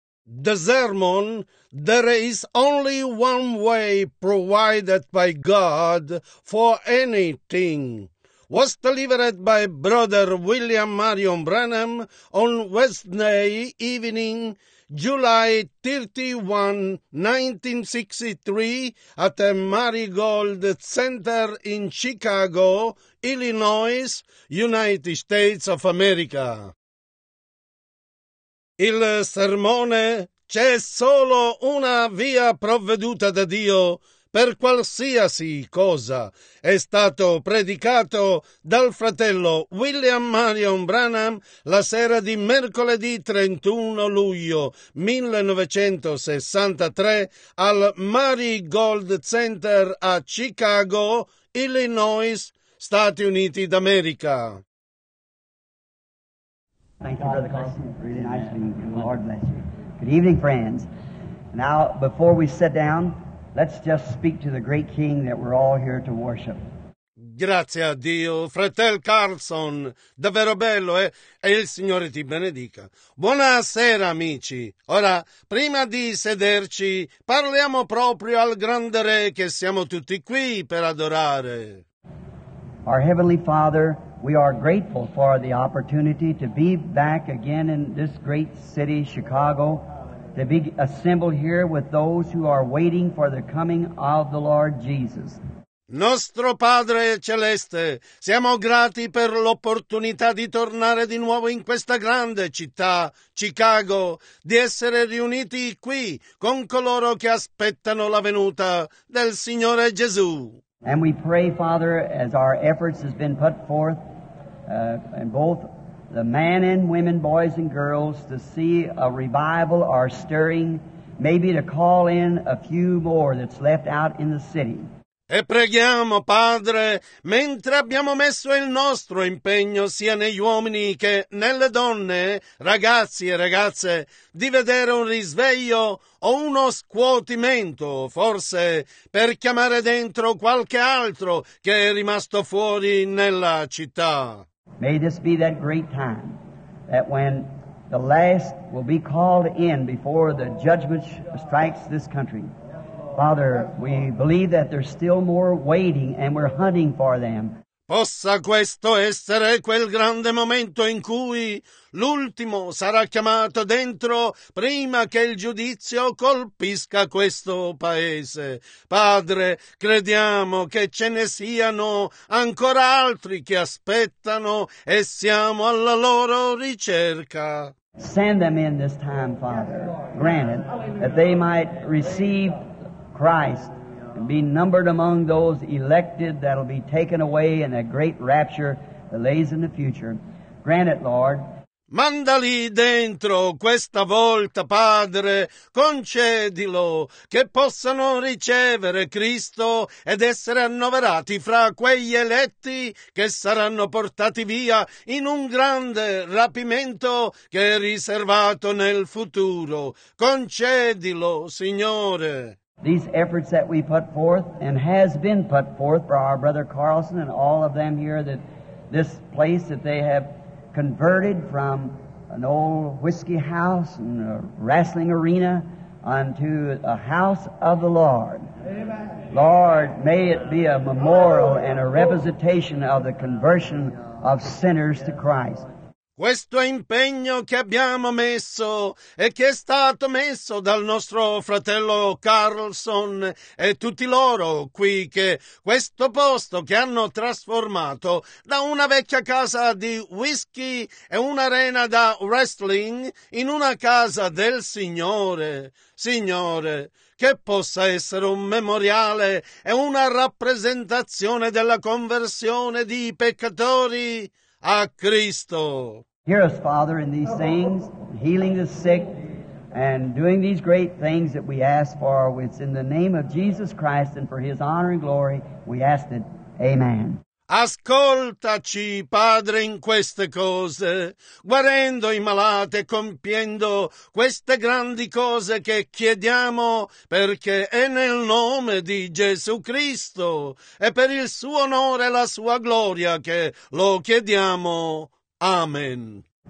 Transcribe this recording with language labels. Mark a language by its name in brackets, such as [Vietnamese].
[English] The sermon, there is only one way provided by God for anything, was delivered by Brother William Marion Branham on Wednesday evening, July 31, 1963, at the Marigold Center in Chicago, Illinois, United States of America. [Italian] Il sermone c'è solo una via provveduta da Dio per qualsiasi cosa è stato predicato dal fratello William Marion Branham la sera di mercoledì 31 luglio 1963 al Marigold Center a Chicago, Illinois, Stati Uniti d'America. [English] Thank you, Brother Carl. Really nice meeting you. Lord bless you. Good evening, friends. Now, before we sit down, let's just speak to the great King that we're all here to worship. [Italian] Grazie a Dio, fratel Carlson. Davvero bello, eh? E il Signore ti benedica. Buonasera, amici. Ora, prima di sederci, parliamo proprio al grande Re che siamo tutti qui per adorare. [English] Our Heavenly Father, we are grateful for the opportunity to be back again in this great city, Chicago, to be assembled here with those who are waiting for the coming of the Lord Jesus. [Italian] Nostro Padre Celeste, siamo grati per l'opportunità di tornare di nuovo in questa grande città, Chicago, di essere riuniti qui con coloro che aspettano la venuta del Signore Gesù. [English] And we pray, Father, as our efforts has been put forth, and both the men and women, boys and girls, to see a revival or stirring, maybe to call in a few more that's left out in the city. [Italian] E preghiamo, Padre, mentre abbiamo messo il nostro impegno sia negli uomini che nelle donne, ragazzi e ragazze, di vedere un risveglio o uno scuotimento, forse per chiamare dentro qualche altro che è rimasto fuori nella città. [English] May this be that great time that when the last will be called in before the judgment strikes this country. Father, we believe that there's still more waiting and we're hunting for them. [Italian] Possa questo essere quel grande momento in cui l'ultimo sarà chiamato dentro prima che il giudizio colpisca questo paese. Padre, crediamo che ce ne siano ancora altri che aspettano e siamo alla loro ricerca. [English] Send them in this time, Father, granted that they might receive Christ and be numbered among those elected that will be taken away in a great rapture that lays in the future. Grant it, Lord. [Italian] Mandali dentro questa volta, Padre, concedilo che possano ricevere Cristo ed essere annoverati fra quegli eletti che saranno portati via in un grande rapimento che è riservato nel futuro. Concedilo, Signore. [English] These efforts that we put forth and has been put forth for our brother Carlson and all of them here that this place that they have converted from an old whiskey house and a wrestling arena unto a house of the Lord. Amen. Lord, may it be a memorial and a representation of the conversion of sinners to Christ. [Italian] Questo impegno che abbiamo messo e che è stato messo dal nostro fratello Carlson e tutti loro qui, che questo posto che hanno trasformato da una vecchia casa di whisky e un'arena da wrestling in una casa del Signore. Signore, che possa essere un memoriale e una rappresentazione della conversione di peccatori a Cristo. [English] Hear us, Father, in these things, healing the sick, and doing these great things that we ask for. It's in the name of Jesus Christ and for His honor and glory we ask it. Amen. [Italian] Ascoltaci, Padre, in queste cose, guarendo i malati, compiendo queste grandi cose che chiediamo, perché è nel nome di Gesù Cristo e per il Suo onore e la Sua gloria che lo chiediamo. Amen.